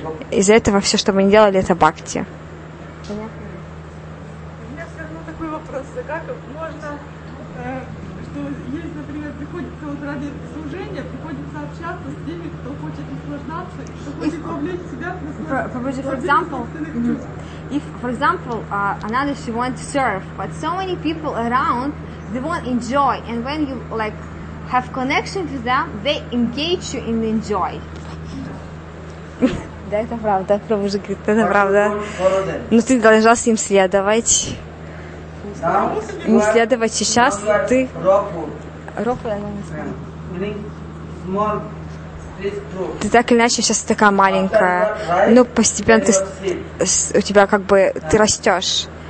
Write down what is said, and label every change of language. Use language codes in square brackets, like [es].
[ru] Из-за этого все, что мы не делали, это бхакти. Понятно. У меня все равно такой вопрос. Как можно, что есть, например, приходится вот ради служения, приходится общаться с теми, кто хочет наслаждаться, кто хочет вовлечь себя в наслаждение. [en] For example, another who wants to serve, but so many people around, they won't enjoy, and when you like have connection to them, they engage you in enjoy. [ru] Да, это правда, Прабу же говорит, это правда. Но ты должна с ним следовать. Не следовать сейчас, ты... Рокху, я не знаю. Ты так или иначе сейчас такая маленькая, но постепенно ты, у тебя как бы, ты растешь.